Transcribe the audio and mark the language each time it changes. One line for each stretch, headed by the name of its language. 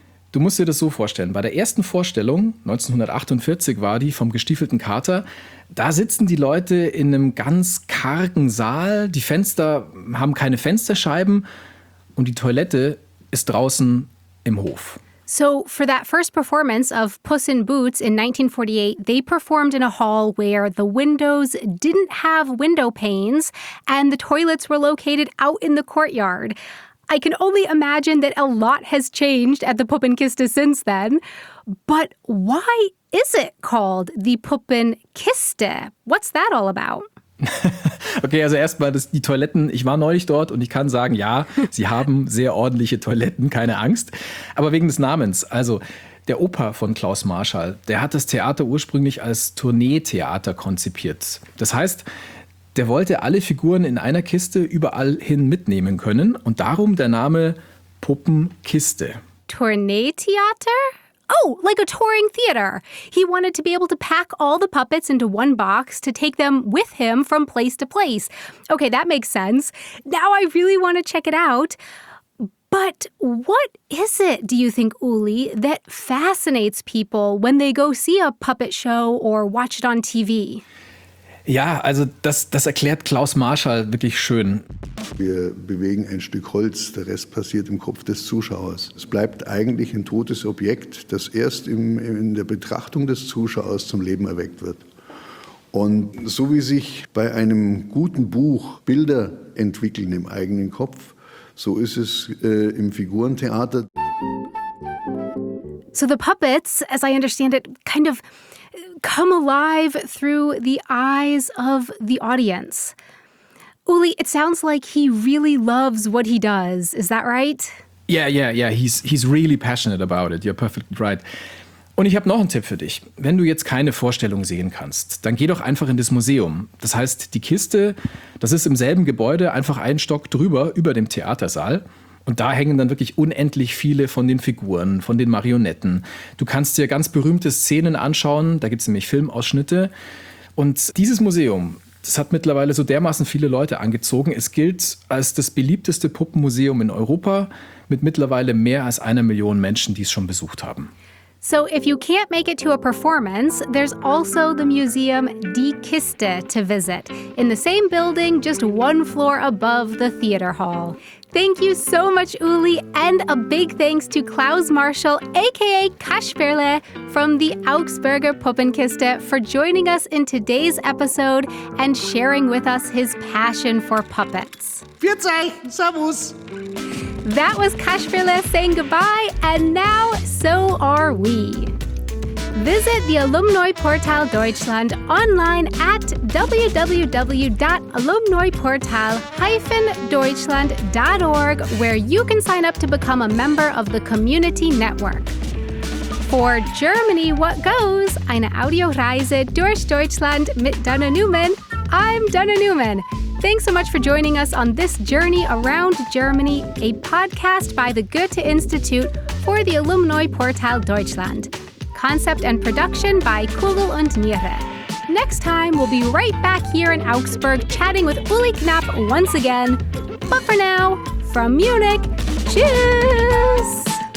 German: Du musst dir das so vorstellen, bei der ersten Vorstellung, 1948 war die, vom gestiefelten Kater, da sitzen die Leute in einem ganz kargen Saal, die Fenster haben keine Fensterscheiben und die Toilette ist draußen im Hof.
English: So for that first performance of Puss in Boots in 1948, they performed in a hall where the windows didn't have window panes and the toilets were located out in the courtyard. I can only imagine that a lot has changed at the Puppenkiste since then. But why is it called the Puppenkiste? What's that all about?
German: Okay, also erstmal die Toiletten. Ich war neulich dort und ich kann sagen, ja, sie haben sehr ordentliche Toiletten, keine Angst. Aber wegen des Namens. Also der Opa von Klaus Marschall, der hat das Theater ursprünglich als Tourneetheater konzipiert. Das heißt, der wollte alle Figuren in einer Kiste überall hin mitnehmen können. Und darum der Name Puppenkiste.
English: Tourneetheater? Oh, like a touring theater. He wanted to be able to pack all the puppets into one box to take them with him from place to place. Okay, that makes sense. Now I really want to check it out. But what is it, do you think, Uli, that fascinates people when they go see a puppet show or watch it on TV?
German: Ja, also das erklärt Klaus Marschall wirklich schön. Wir bewegen ein Stück Holz, der Rest passiert im Kopf des Zuschauers. Es bleibt eigentlich ein totes Objekt, das erst in der Betrachtung des Zuschauers zum Leben erweckt wird. Und so wie sich bei einem guten Buch Bilder entwickeln im eigenen Kopf, so ist es im Figurentheater.
English: So the puppets, as I understand it, kind of come alive through the eyes of the audience. Uli, it sounds like he really loves what he does. Is that right? Yeah. He's really passionate about it. You're perfectly right.
German: Und ich habe noch einen Tipp für dich. Wenn du jetzt keine Vorstellung sehen kannst, dann geh doch einfach in das Museum. Das heißt, die Kiste, das ist im selben Gebäude, einfach einen Stock drüber, über dem Theatersaal. Und da hängen dann wirklich unendlich viele von den Figuren, von den Marionetten. Du kannst dir ganz berühmte Szenen anschauen, da gibt es nämlich Filmausschnitte. Und dieses Museum, das hat mittlerweile so dermaßen viele Leute angezogen. Es gilt als das beliebteste Puppenmuseum in Europa, mit mittlerweile mehr als 1 Million Menschen, die es schon besucht haben.
English: So if you can't make it to a performance, there's also the museum Die Kiste to visit, in the same building, just one floor above the theater hall. Thank you so much, Uli, and a big thanks to Klaus Marschall, aka Kasperle, from the Augsburger Puppenkiste, for joining us in today's episode and sharing with us his passion for puppets.
German: Pfiatzei, servus!
English: That was Kasperle saying goodbye, and now so are we. Visit the Alumni Portal Deutschland online at www.alumniportal-deutschland.org, where you can sign up to become a member of the community network. For Germany What Goes,
German: eine Audioreise durch Deutschland mit Dana Neumann,
English: I'm Dana Neumann. Thanks so much for joining us on this journey around Germany, a podcast by the Goethe-Institut for the Alumni Portal Deutschland. Concept and production by Kugel und Niere. Next time, we'll be right back here in Augsburg chatting with Uli Knapp once again. But for now, from Munich, tschüss!